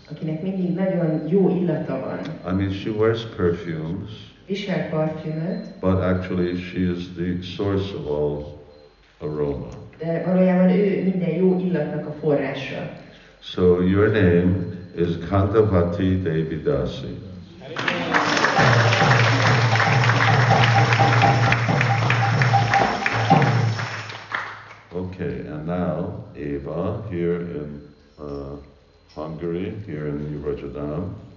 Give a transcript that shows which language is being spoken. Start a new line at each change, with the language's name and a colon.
Hungarian: Akinek mindig nagyon jó illata van.
English: I mean, she wears perfumes.
Hungarian: Visel parfümöt.
English: But actually, she is the source of all aroma.
Hungarian: De valójában ő minden jó illatnak a forrása.
English: So your name is Kandavati Devi Dasi. Okay, and now Eva here in Hungary, here in New Rajadam.